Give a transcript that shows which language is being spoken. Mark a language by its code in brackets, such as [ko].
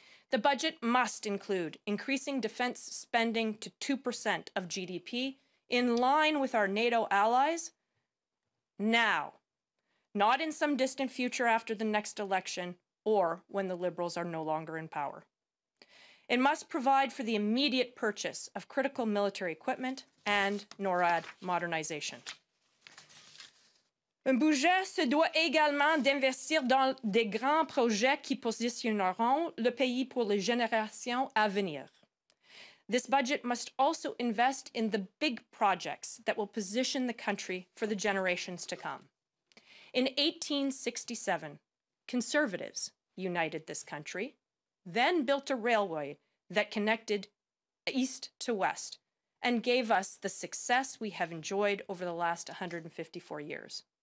[en] The budget must include increasing defense spending to 2% of GDP in line with our NATO allies now, not in some distant future after the next election or when the Liberals are no longer in power. It must provide for the immediate purchase of critical military equipment and NORAD modernization. [fr] Un budget se doit également d'investir dans des grands projets qui positionneront le pays pour les générations à venir. [en] This budget must also invest in the big projects that will position the country for the generations to come. In 1867, conservatives united this country, then built a railway that connected east to west and gave us the success we have enjoyed over the last 154 years.